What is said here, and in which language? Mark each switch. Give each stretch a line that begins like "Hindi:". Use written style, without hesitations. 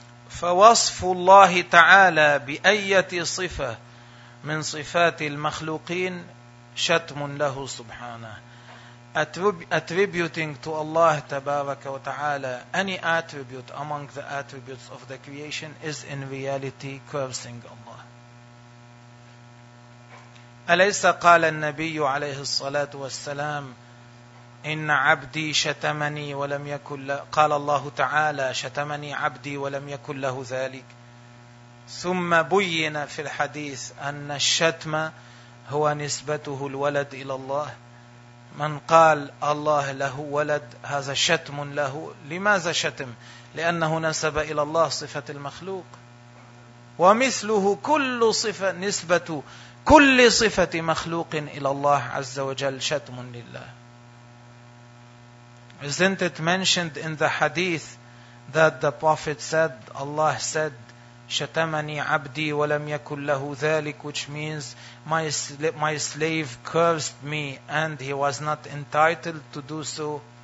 Arabic: فوصف الله تعالى بأية صفة من صفات المخلوقين شتم له سبحانه. Attributing to Allah تبارك وتعالى any attribute among the attributes of the creation is in reality cursing Allah. أليس قال النبي عليه الصلاة والسلام إن عبدي شتمني ولم يكن له, قال الله تعالى شتمني عبدي ولم يكن له ذلك. ثم بين في الحديث أن الشتم هو نسبته الولد إلى الله. من قال الله له ولد هذا شتم له. لماذا شتم؟ لأنه نسب إلى الله صفة المخلوق. ومثله كل صفة, نسبة كل صفة مخلوق إلى الله عز وجل شتم لله.
English: Isn't it mentioned in the hadith that the Prophet said, Allah said,
Arabic: شَتَمَنِي عَبْدِي وَلَمْ يَكُلْ لَهُ ذَلِكُ,
English: which means my slave cursed me and he was not entitled to do so.